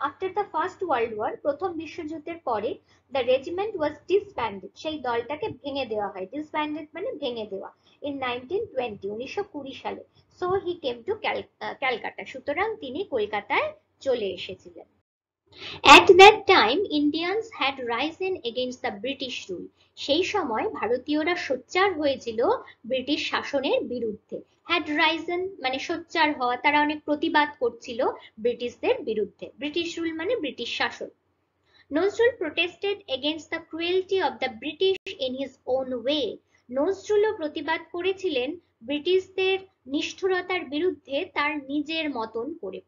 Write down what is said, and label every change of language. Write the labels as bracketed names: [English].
[English] after the first world war, [Bangla] প্রথম বিশ্বযুদ্ধের পরে [English] the regiment was disbanded, [Bangla] সেই দলটাকে ভেঙে দেওয়া হয়, ডিসব্যান্ডেড মানে ভেঙে দেওয়া, ইন 1920, 1920 সালে। [English] so he came to Calcutta, [Bangla] সুতরাং তিনি কলকাতায় চলে এসেছিলেন। [English] At that time, Indians had risen against the British rule. [Bangla] সেই সময় ভারতীয়রা সোচ্চার হয়েছিল ব্রিটিশ শাসনের বিরুদ্ধে। Had risen মানে সোচ্চার হওয়া, তারা অনেক প্রতিবাদ করছিল ব্রিটিশদের বিরুদ্ধে। ব্রিটিশ রুল মানে ব্রিটিশ শাসন। [English] Nazrul protested against the cruelty of the British in his own way, [Bangla] নজরুলও প্রতিবাদ করেছিলেন ব্রিটিশদের নিষ্ঠুরতার বিরুদ্ধে তার নিজের মতন করে।